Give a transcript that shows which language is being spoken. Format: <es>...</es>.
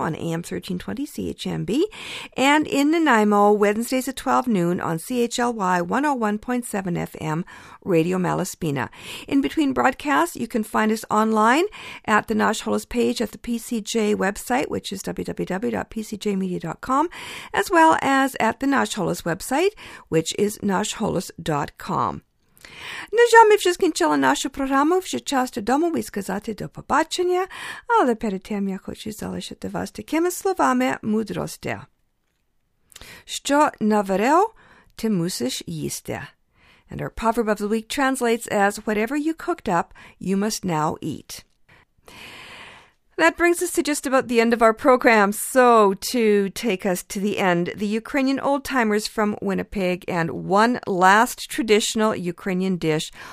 <en>on AM 1320 CHMB and in Nanaimo Wednesdays at 12 noon on CHLY 101.7 FM. Radio Malaspina. In between broadcasts, you can find us online at the Nash Holos page at the PCJ website, which is www.pcjmedia.com, as well as at the Nash Holos website, which is nashholos.com.</en> <uk>На жаль, ми вже скінчили нашу програму, вже час додому і сказати до побачення, але перед тим я хочу залишити вас такими словами мудрості. Що наварив, ти мусиш їсти.</uk> <en>And our proverb of the week translates as, whatever you cooked up, you must now eat. That brings us to just about the end of our program. So to take us to the end, the Ukrainian old timers from Winnipeg and one last traditional Ukrainian dish.</en>